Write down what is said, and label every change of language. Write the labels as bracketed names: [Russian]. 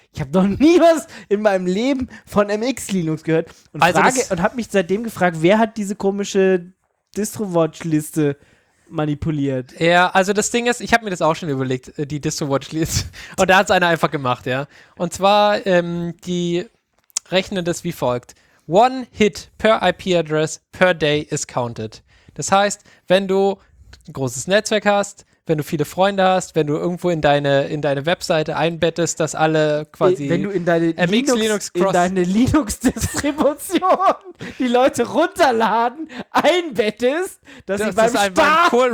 [German] Ich habe noch nie was in meinem Leben von MX Linux gehört. Und also habe mich seitdem gefragt, wer hat diese komische DistroWatch-Liste manipuliert? Ja, also das Ding ist, ich habe mir das auch schon überlegt, die DistroWatch-Liste. Und da hat es einer einfach gemacht, ja. Und zwar, die rechnen das wie folgt. [English] One hit per IP-Address per day is counted. [German] Das heißt, wenn du ein großes Netzwerk hast, wenn du viele Freunde hast, wenn du irgendwo in deine Webseite einbettest, dass alle quasi wenn du in deine MX Linux Cross, in deine Linux Distribution die Leute runterladen, einbettest, dass sie beim Starten einen